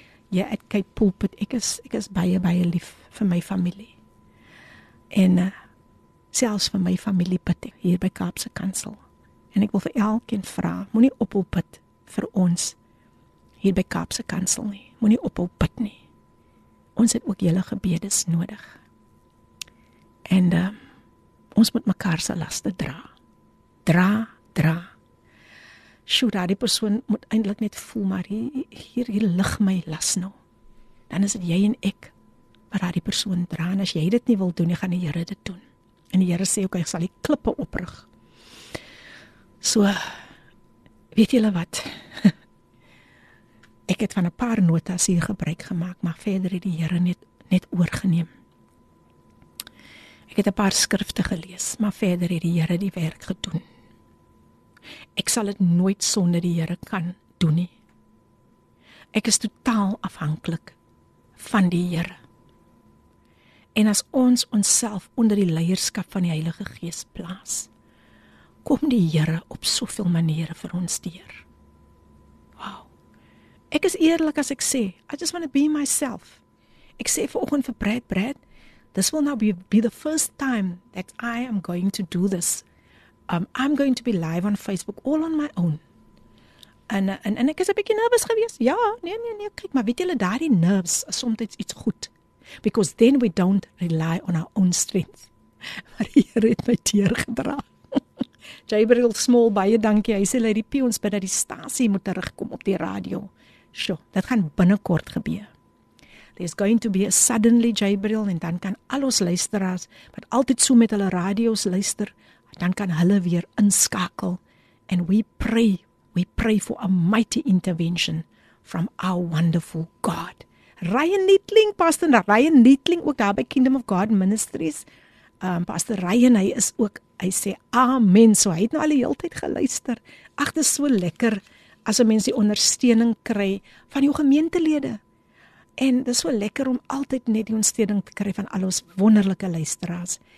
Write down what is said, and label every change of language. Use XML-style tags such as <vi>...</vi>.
<af>Ja, at Cape Pulpit, ek is baie lief vir my familie. En selfs vir my familie bid ek hier by Kaapse Kansel. En ek wil vir elkeen vra, moenie ophou bid vir ons hier by Kaapse Kansel nie. Moenie ophou bid nie. ons het ook julle gebedes nodig. En ons moet mekaar se laste dra. Dra. Sjoe, die persoon moet eindelijk net voel, maar hier lig my las nou. Dan is het jy en ek waar die persoon dra. En as jy dit nie wil doen, gaan die Here dit doen. En die Here sê ook, ek sal die klippe oprig. So, weet julle wat? Ek het van 'n paar notas hier gebruik gemaak, maar verder het die Here net oorgeneem. Ek het 'n paar skrifte gelees, maar verder het die Here die werk gedoen. Ek sal dit nooit sonder die Here kan doen nie. Ek is totaal afhanklik van die Here. En as ons onsself onder die leierskap van die Heilige Gees plaas, kom die Here op soveel maniere vir ons deur. Wow. Ek is eerlik as ek sê,</af> <en>I just want to be myself.</en> <af>Ek sê vanoggend vir Brad,</af> <en>this will now be the first time that I am going to do this. I'm going to be live on Facebook all on my own.</en> <af>En ek is 'n bietjie nervous gewees. Ja, nee, kyk, maar weet julle daardie nerves is soms iets goed.</af> <en>Because then we don't rely on our own strength.</en> <af>Maar die Here het my teer gedra. Gabriel Small, baie dankie. Hy sê, Lady P, ons bid dat die stasie moet terugkom op die radio. Sjoe, dat gaan binnenkort gebeur.</af> <en>There's going to be a suddenly,</en> <af>Gabriel, en dan kan al ons luisteraars, wat altyd so met hulle radio's luister, dan kan hulle weer inskakel.</af> <en>And we pray for a mighty intervention from our wonderful God.</en> <af>Ryan Nietling, Pastor Ryan Nietling, ook daar by Kingdom of God Ministries. Pastor Ryan, hy is ook, hy sê amen, so hy het nou al die hele tyd geluister. Ag, dit is so lekker as 'n mens die ondersteuning kry van jou gemeentelede. En dit is so lekker om altyd net die ondersteuning te kry van al ons wonderlike luisteraars.</af>